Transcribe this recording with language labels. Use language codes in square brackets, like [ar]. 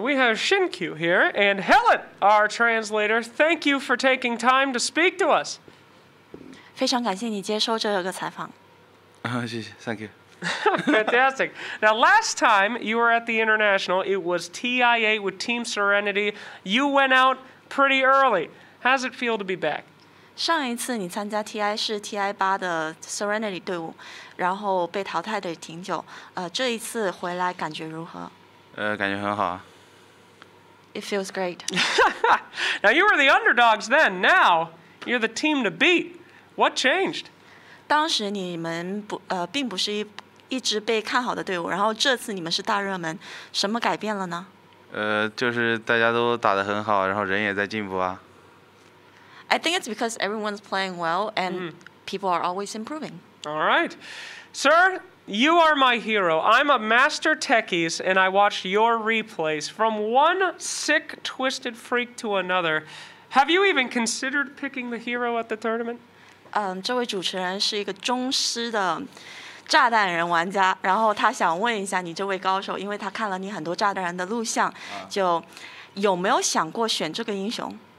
[en] We have Shin-Q here, and Helen, our translator, thank you for taking time to speak to us. [zh] 非常感谢你接受这个采访。谢谢 , [en] thank you. Fantastic. Now, last time you were at the International, it was TIA with Team Serenity. You went out pretty early. How's it feel to be back? [zh] 上一次你参加 TI 是 TI8 的 Serenity 队伍，然后被淘汰的挺久。这一次回来感觉如何？感觉很好。 [en] It feels great. Now you were the underdogs then. Now you're the team to beat. What changed? [zh] 当时你们不并不是一直被看好的队伍，然后这次你们是大热门，什么改变了呢？就是大家都打得很好，然后人也在进步啊。 [en] I think it's because everyone's playing well and people are always improving. All right. Sir, you are my hero. I'm a master techies and I watched your replays from one sick, twisted freak to another. Have you even considered picking the hero at the tournament? [zh] 这位主持人是一个忠实的炸弹人玩家，然后他想问一下你这位高手，因为他看了你很多炸弹人的录像，就有没有想过选这个英雄？